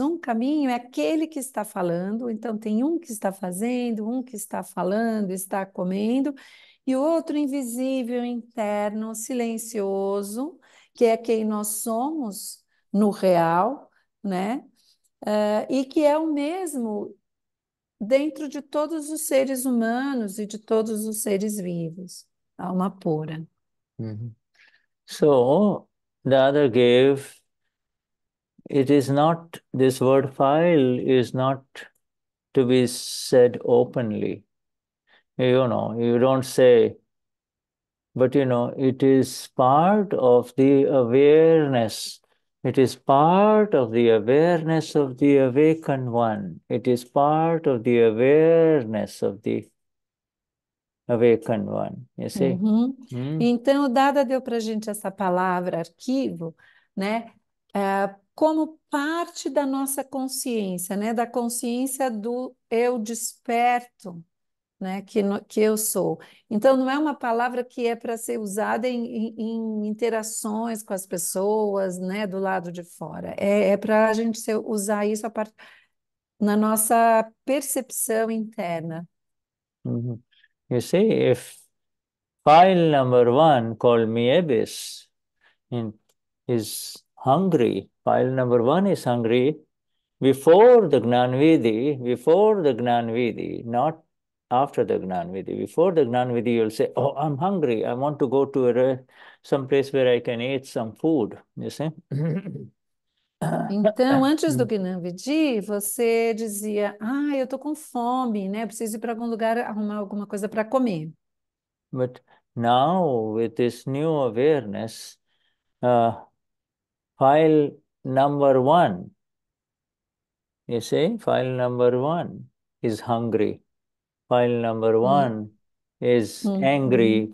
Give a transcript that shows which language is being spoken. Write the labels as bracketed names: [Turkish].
[Portuguese] Um caminho é aquele que está falando, então tem um que está fazendo, um que está falando, está comendo, e o outro invisível, interno, silencioso, que é quem nós somos no real, né, e que é o mesmo dentro de todos os seres humanos e de todos os seres vivos, alma pura. [English] So, the other gave, it is not, this word file is not to be said openly. You know, you don't say, but you know, it is part of the awareness. It is part of the awareness of the awakened one. It is part of the awareness of the awakened one, you see? [Portuguese] Então, Dada deu para a gente essa palavra arquivo, né? Como parte da nossa consciência, né? Da consciência do eu desperto, né? Que, no, que eu sou. Então, não é uma palavra que é para ser usada em, em interações com as pessoas, né? Do lado de fora. É para a gente ser, usar isso a part... na nossa percepção interna. [English] You see, if file number one called me abyss is hungry, file number one is hungry before the Gnan Vidhi, before the Gnan Vidhi, not after the Gnan Vidhi. Before the Gnan Vidhi, you'll say, oh, I'm hungry. I want to go to some place where I can eat some food. You see? [Portuguese] Então, antes do Gnan Vidhi, você dizia, ah, eu estou com fome, né? Preciso ir para algum lugar arrumar alguma coisa para comer. [English] But now, with this new awareness, file number one, you see, file number one is hungry. File number one is angry.